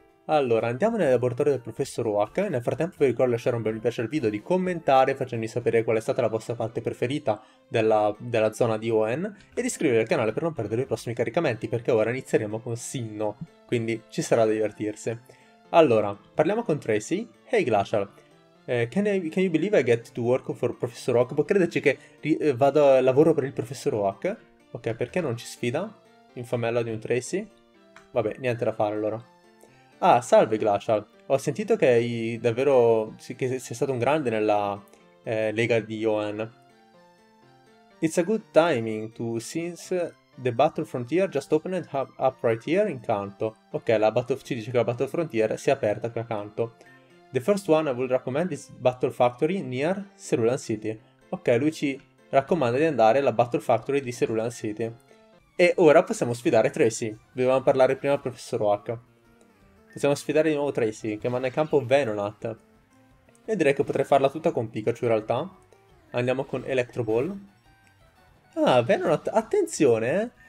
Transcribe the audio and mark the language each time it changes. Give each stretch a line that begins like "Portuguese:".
Italian: Allora, andiamo nel laboratorio del professor Oak. Nel frattempo vi ricordo di lasciare un bel mi piace al video, di commentare facendomi sapere qual è stata la vostra parte preferita della zona di Hoenn e di iscrivervi al canale per non perdere i prossimi caricamenti, perché ora inizieremo con Sinnoh, quindi ci sarà da divertirsi. Allora, parliamo con Tracy.
English: Hey Glacial, can you believe I get to work for professor Oak?
Italian: Può crederci che vado a lavoro per il professor Oak? Ok, perché non ci sfida? Infamella di un Tracy? Vabbè, niente da fare allora. Ah, salve Glacial, ho sentito che hai davvero, che sei stato un grande nella Lega di Hoenn.
English: It's a good timing to, since the Battle Frontier just opened up right here in Kanto.
Italian: Ok, ci dice che la Battle Frontier si è aperta qui a Kanto.
English: The first one I would recommend is Battle Factory near Cerulean City.
Italian: Ok, lui ci raccomanda di andare alla Battle Factory di Cerulean City. E ora possiamo sfidare Tracy, dovevamo parlare prima al professor Oak. Possiamo sfidare di nuovo Tracy, che manda in campo Venonat. Io direi che potrei farla tutta con Pikachu in realtà. Andiamo con Electro Ball. Ah, Venonat, attenzione, eh!